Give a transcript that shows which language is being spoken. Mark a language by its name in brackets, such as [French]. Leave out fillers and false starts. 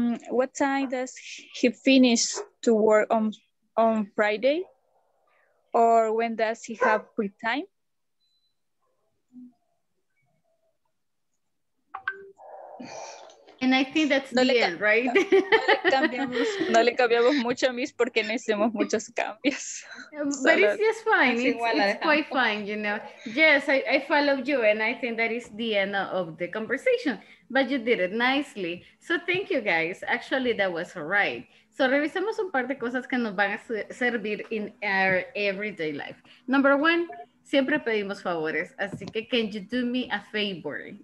[English] What time does he finish to work on Friday? Or when does he have free time? And I think that's no the end, right? [Spanish] No le cambiamos mucho a Miss porque necesitamos muchos cambios. [English] But it's just fine. It's quite fine, you know. Yes, I followed you and I think that is the end of the conversation. But you did it nicely. So thank you, guys. Actually, that was all right. [Spanish] So revisamos un par de cosas que nos van a servir [English] in our everyday life. Number one, [Spanish] siempre pedimos favores. Así que, [English] can you do me a favor?